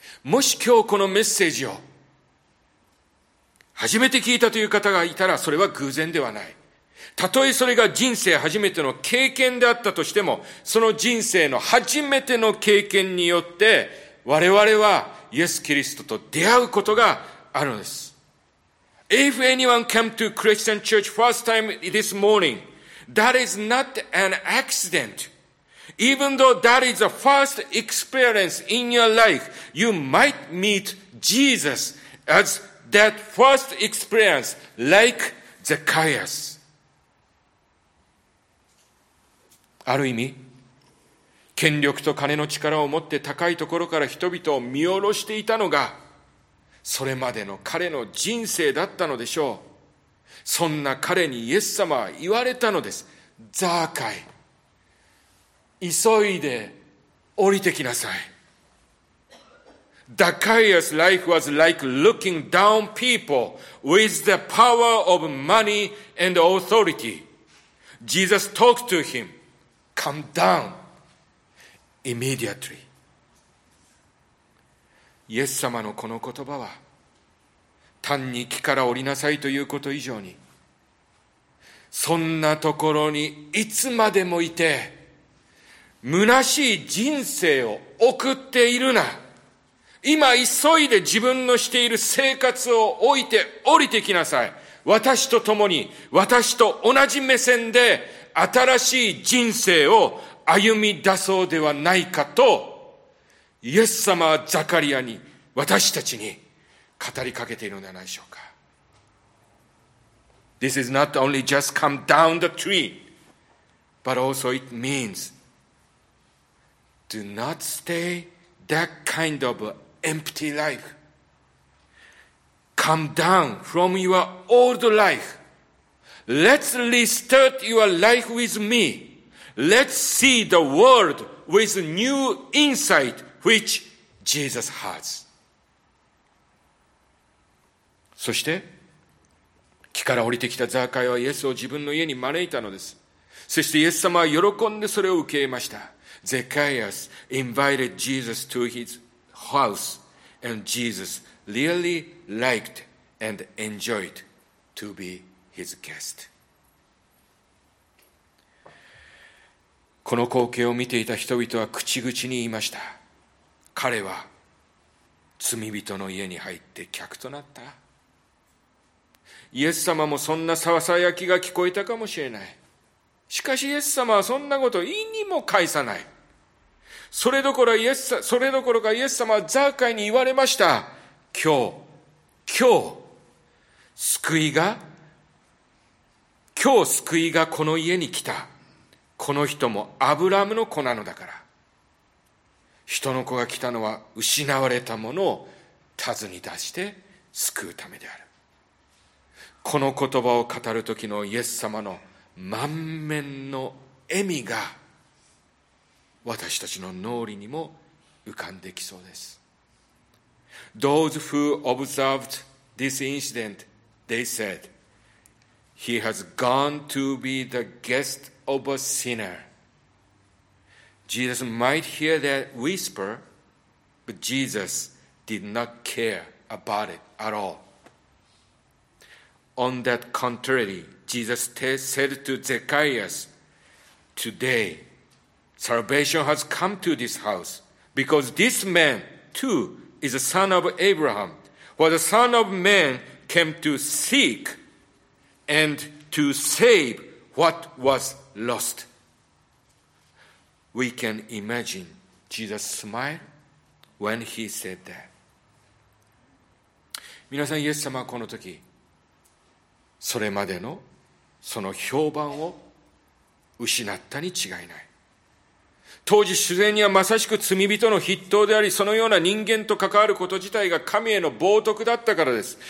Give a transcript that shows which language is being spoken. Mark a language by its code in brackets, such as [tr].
[ja] もし今日このメッセージを初めて聞いたという方がいたら、それは偶然ではない。たとえそれが人生初めての経験であったとしても、その人生の初めての経験によって我々はイエス・キリストと出会うことがあるのです。 [en] If anyone came to Christian church first time this morning, that is not an accident. Even though that is the first experience in your life, you might meet Jesus as that first experience, like Zacchaeus. [ja] ある意味、権力と金の力を持って高いところから人々を見下ろしていたのが、それまでの彼の人生だったのでしょう。そんな彼にイエス様は言われたのです。ザーカイ、急いで降りてきなさい。 [en] ザーカイアス life was like looking down people with the power of money and authority. Jesus talked to him, come down immediately. [ja] イエス様のこの言葉は、単に木から降りなさいということ以上に、そんなところにいつまでもいて虚しい人生を送っているな、今急いで自分のしている生活を置いて降りてきなさい、私と共に、私と同じ目線で新しい人生を歩み出そうではないかと、イエス様はザカリアに、私たちに語りかけているのではないでしょうか。 [en] This is not only just come down the tree, but also it means do not stay that kind of empty life. Come down from your old life. Let's restart your life with me. Let's see the world with new insightwhich Jesus has. [ja] そして木から降りてきたザーカイはイエスを自分の家に招いたのです。そしてイエス様は喜んでそれを受け入れました。 [en] ゼカイアス invited Jesus to his house and Jesus really liked and enjoyed to be his guest. [ja] この光景を見ていた人々は口々に言いました。彼は罪人の家に入って客となった。イエス様もそんなささやきが聞こえたかもしれない。しかしイエス様はそんなこと意にも介さない。それどころかイエス様はザーカイに言われました。今日救いがこの家に来た。この人もアブラムの子なのだから。人の子が来たのは失われたものを尋ね出して救うためである。この言葉を語る時のイエス様の満面の笑みが私たちの脳裏にも浮かんできそうです。 [en] Those who observed this incident, they said, He has gone to be the guest of a sinnerJesus might hear that whisper, but Jesus did not care about it at all. On that contrary, Jesus said to Zacchaeus, Today, salvation has come to this house, because this man, too, is a son of Abraham. For the Son of Man came to seek and to save what was lost. We can imagine Jesus' smile when he said that. [ja] 皆さん、イエス様はこの時、それまでのその評判を失ったに違いない。当時、主税にはまさしく罪人の筆頭であり、そのような人間と関わること自体が神への冒涜だったからです。